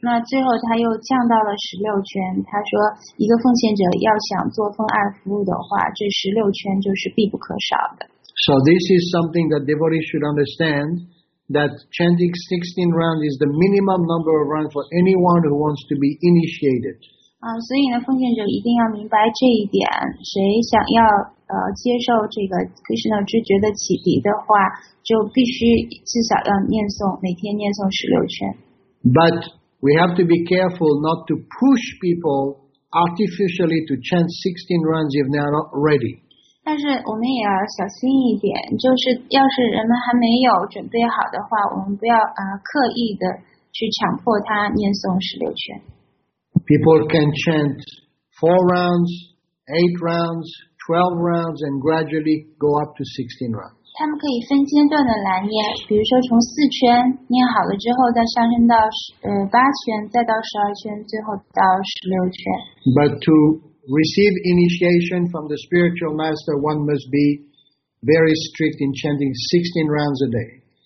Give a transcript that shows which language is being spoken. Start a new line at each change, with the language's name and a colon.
Chinese: 那最后他又降到了16圈。他说，一个奉献者要想做奉爱服务的话，这16圈就是必不可少的。
English: So this is something that devotees should understand, that chanting 16 rounds is the minimum number of rounds for anyone who wants to be initiated.
Chinese: 所以呢，奉献者一定要明白这一点。谁想要接受这个 Krishna 知觉的启迪的话，就必须至少要念诵，每天念诵16圈。
English: But we have to be careful not to push people artificially to chant 16 rounds if they are not ready.
Chinese: 但是我们也要小心一点，就是要是人们还没有准备好的话，我们不要刻意的去强迫他念诵16圈。
English: People can chant 4 rounds, 8 rounds, 12 rounds, and gradually go up to 16 rounds.
Chinese: 他们可以分阶段的来念，比如说从4圈念好了之后，再上升到8圈，再到12圈，最后到16圈。
English: But toReceive initiation from the spiritual master, one must be very strict in chanting 16 rounds a day.